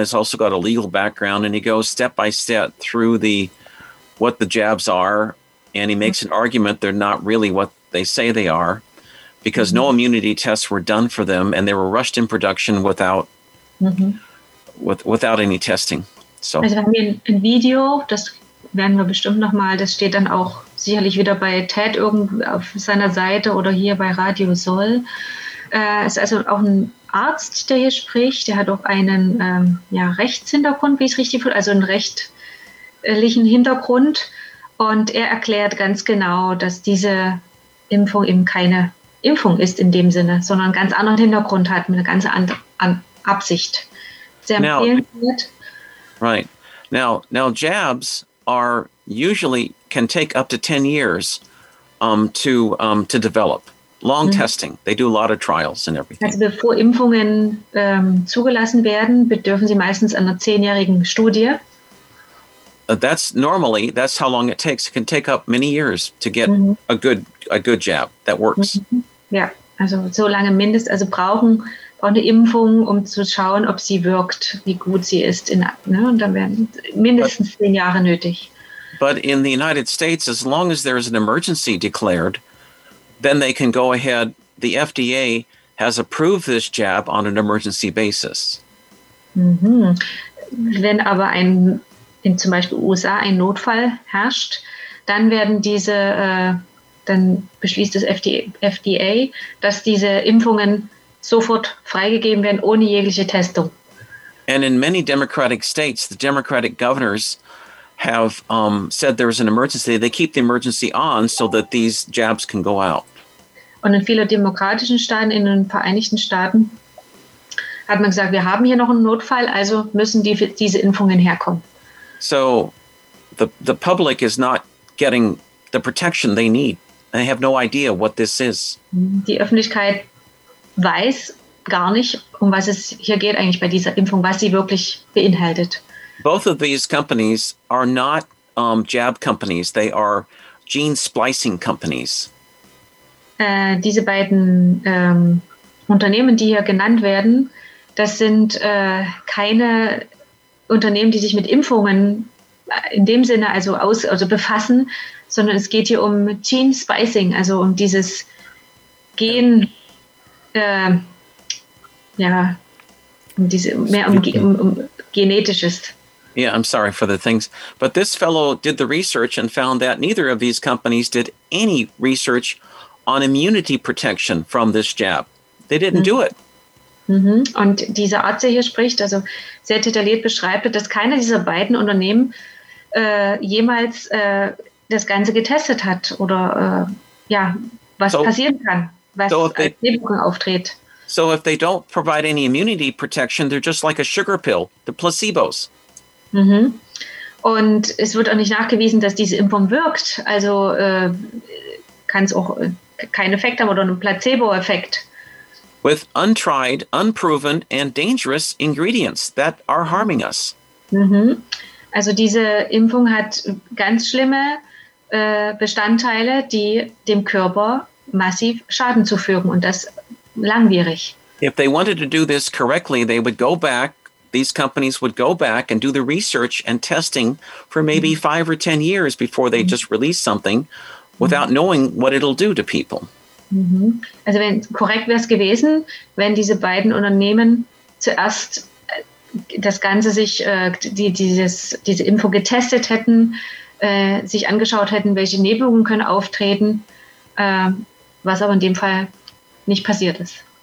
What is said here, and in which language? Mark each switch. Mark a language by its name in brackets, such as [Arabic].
[English] He's also got a legal background, and he goes step by step through what the jabs are, and he makes an argument they're not really what they say they are, because no immunity tests were done for them, and they were rushed in production without without any testing. So, [German] also, wir haben ein Video, das werden wir bestimmt noch mal. Das steht dann auch sicherlich wieder bei Ted auf seiner Seite oder hier bei Radio Soll. Es ist also auch ein Arzt, der hier spricht. Der hat auch einen Rechtshintergrund, wie ich es richtig fühle, also einen rechtlichen Hintergrund. Und er erklärt ganz genau, dass diese Impfung eben keine Impfung ist in dem Sinne, sondern einen ganz anderen Hintergrund hat, mit einer ganz anderen Absicht. Sehr empfehlenswert. [English] Right. Now jabs are usually can take up to 10 years to develop. Long testing. They do a lot of trials and everything. [German] Also bevor Impfungen zugelassen werden, bedürfen sie meistens einer 10-jährigen Studie. [English] That's normally, that's how long it takes. It can take up many years to get a good jab that works. [German] Mm-hmm. Ja, also so lange mindestens, also brauchen eine Impfung, um zu schauen, ob sie wirkt, wie gut sie ist. Und dann werden mindestens 10 Jahre nötig. [English] But in the United States, as long as there is an emergency declared, then they can go ahead. The FDA has approved this jab on an emergency basis. Mm-hmm. [German] Wenn aber in zum Beispiel USA ein Notfall herrscht, dann werden diese, dann beschließt das FDA, dass diese Impfungen sofort freigegeben werden, ohne jegliche Testung. [English] And in many Democratic states, the Democratic governors have said there is an emergency. They keep the emergency on so that these jabs can go out. [German] Und in vielen demokratischen Staaten, in den Vereinigten Staaten, hat man gesagt, wir haben hier noch einen Notfall, also müssen diese Impfungen herkommen. [English] So the public is not getting the protection they need. They have no idea what this is. [German] Die Öffentlichkeit weiß gar nicht, um was es hier geht eigentlich bei dieser Impfung, was sie wirklich beinhaltet. [English] Both of these companies are not jab companies. They are gene splicing companies. [German] Diese beiden Unternehmen, die hier genannt werden, das sind keine Unternehmen, die sich mit Impfungen in dem Sinne also befassen, sondern es geht hier um [English] gene splicing, [German] also um dieses Gen, genetisches. [English] Yeah, I'm sorry for the things. But this fellow did the research and found that neither of these companies did any research on immunity protection from this jab. They didn't do it. Mm-hmm. [German] Und dieser Arzt, der hier spricht, also sehr detailliert beschreibt, dass keiner dieser beiden Unternehmen jemals das Ganze getestet hat oder was so, passieren kann, was so als Nebenwirkung auftritt. [English] So if they don't provide any immunity protection, they're just like a sugar pill, the placebos. Mhm. [German] Und es wird auch nicht nachgewiesen, dass diese Impfung wirkt. Also kann es auch keinen Effekt haben oder einen Placebo-Effekt. [English] With untried, unproven and dangerous ingredients that are harming us. Mhm. [German] Also diese Impfung hat ganz schlimme Bestandteile, die dem Körper massiv Schaden zufügen und das langwierig. [English] If they wanted to do this correctly, they would go back. These companies would go back and do the research and testing for maybe 5 or 10 years before they just release something without knowing what it'll do to people. Mm-hmm. [German] Also wenn korrekt wäre es gewesen, wenn diese beiden Unternehmen zuerst das Ganze sich, diese Info getestet hätten, sich angeschaut hätten, welche Nebenwirkungen können auftreten, was aber in dem Fall nicht passiert ist.